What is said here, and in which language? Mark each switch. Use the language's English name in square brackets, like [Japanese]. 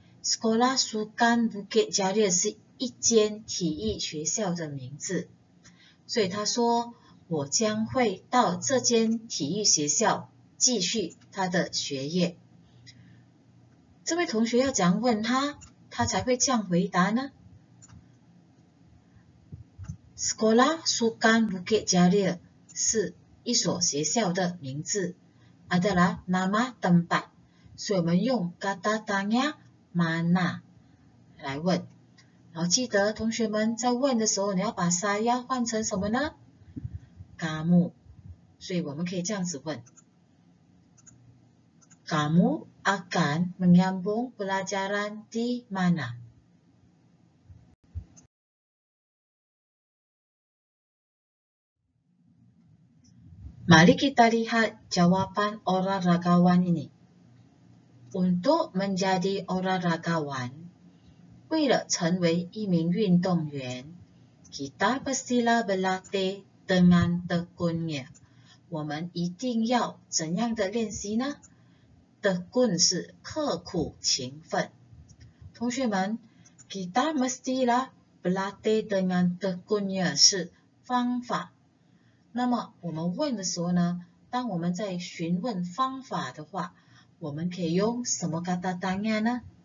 [Chinese] Sekolah sukan Bukit Jalil 是一间体育学校的名字。所以他说，我将会到这间体育学校继续他的学业。这位同学要怎样问他，他才会这样回答呢？ Sekolah Sukan Bukit Jalil 是一所学校的名字， [Malay] adalah nama tempat， [Chinese] 所以我们用 kata tanya mana 来问。然后记得同学们在问的时候，你要把 saya 换成什么呢？ Kamu， 所以我们可以这样子问。 [Malay] Kamu akan menyambung pelajaran di mana? Mari kita lihat jawaban olahragawan ini. Untuk menjadi olahragawan, [Chinese] 为了成为一名运动员, [Malay] kita mestilah berlatih dengan tekunnya. [Chinese] 我们一定要怎样的练习呢？Tekun 是刻苦勤奋。同学们， [Malay] kita mestilah berlatih dengan tekunnya 是方法。 [Chinese] 那么我们问的时候呢，当我们在询问方法的话，我们可以用什么 kata tanya 呢？